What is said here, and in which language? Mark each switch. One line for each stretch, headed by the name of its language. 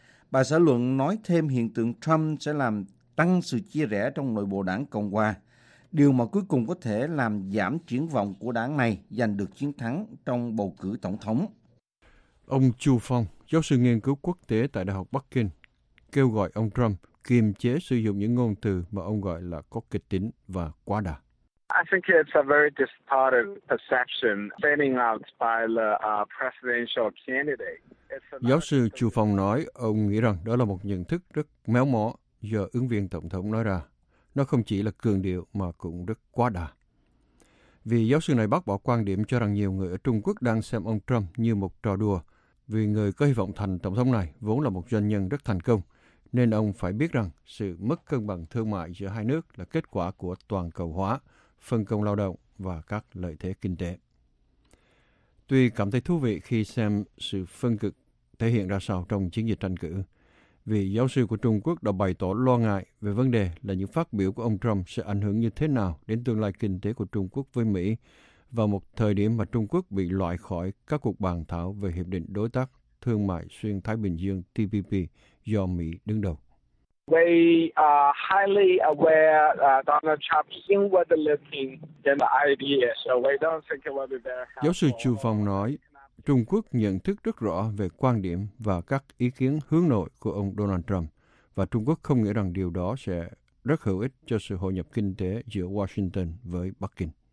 Vietnamese: Bài xã luận nói thêm hiện tượng Trump sẽ làm tăng sự chia rẽ trong nội bộ đảng Cộng hòa, điều mà cuối cùng có thể làm giảm triển vọng của đảng này giành được chiến thắng trong bầu cử tổng thống. Ông Chu Phong, giáo sư nghiên cứu quốc tế tại Đại học Bắc Kinh, kêu gọi ông Trump kiềm chế sử dụng những ngôn từ mà ông gọi là có kịch tính và quá đà.
English: I think it's a very distorted perception standing out by the presidential candidate.
Vietnamese: Giáo sư Chu Phong nói ông nghĩ rằng đó là một nhận thức rất méo mó do ứng viên tổng thống nói ra. Nó không chỉ là cường điệu mà cũng rất quá đà. Vì giáo sư này bác bỏ quan điểm cho rằng nhiều người ở Trung Quốc đang xem ông Trump như một trò đùa vì người có hy vọng thành tổng thống này vốn là một doanh nhân rất thành công, nên ông phải biết rằng sự mất cân bằng thương mại giữa hai nước là kết quả của toàn cầu hóa, phân công lao động và các lợi thế kinh tế. Tuy cảm thấy thú vị khi xem sự phân cực thể hiện ra sao trong chiến dịch tranh cử, vì giáo sư của Trung Quốc đã bày tỏ lo ngại về vấn đề là những phát biểu của ông Trump sẽ ảnh hưởng như thế nào đến tương lai kinh tế của Trung Quốc với Mỹ vào một thời điểm mà Trung Quốc bị loại khỏi các cuộc bàn thảo về Hiệp định Đối tác Thương mại Xuyên Thái Bình Dương TPP do Mỹ đứng đầu.
English: We are highly aware Donald Trump's inward-looking idea, so we don't think it will be very helpful.
Vietnamese: Giáo sư Chu Phong nói, Trung Quốc nhận thức rất rõ về quan điểm và các ý kiến hướng nội của ông Donald Trump, và Trung Quốc không nghĩ rằng điều đó sẽ rất hữu ích cho sự hội nhập kinh tế giữa Washington với Bắc Kinh.